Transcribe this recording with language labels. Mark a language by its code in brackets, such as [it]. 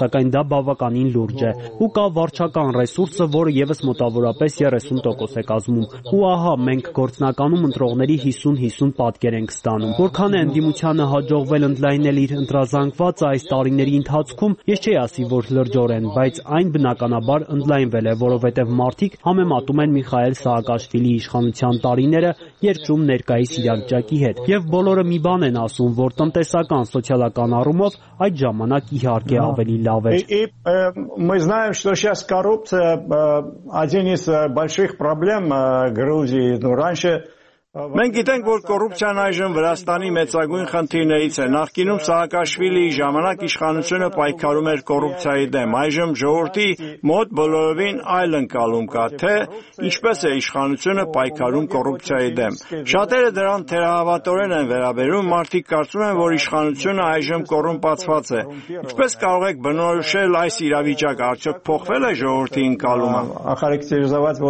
[hy] սակայն դա բավականին լուրջ է, ու կա վարչական ռեսուրսը, որը ևս մոտավորապես 30% է կազմում, ու ահա մենք գործնականում ընտրողների 50-50 պատկեր ենք ստանում։ Որքան է ընդդիմությանը հաջողվել ընդլայնել իր ընտրազանգվածը այս տարիների ընթացքում, ես չի ասի, որ լրջորեն, բայց այն բնականաբար ընդլայնվել է, որովհետև մարդիկ համեմատում են Միխայել Սաակաշվիլի իշխանության տարիները երկրում ներկայիս իրավիճակի հետ, և բոլորը մի բան են ասում, որ տնտեսական, սոցիալական առումով այդ ժամանակ իհարկե ավելի լավ էր։ [ru] Мы знаем, что сейчас коррупция один из больших проблем Грузии, но раньше [hy] Մենք գիտենք, որ կոռուպցիան այժմ Վրաստանի մեծագույն խնդիրներից է։ Նախկինում Սաակաշվիլի ժամանակ իշխանությունը պայքարում էր կոռուպցիայի դեմ, այժմ ժողովրդի մոտ բոլորովին այլ ընկալում կա, թե ինչպես է իշխանությունը պայքարում կոռուպցիայի դեմ։ Շատերը դրան թերահավատորեն են վերաբերում, մարդիկ կարծում են, որ իշխանությունը այժմ կոռումպացված է։ Ինչպես կարող եք բնորոշել այս իրավիճակը, արդյոք փոխվել է ժողովրդի ընկալումը։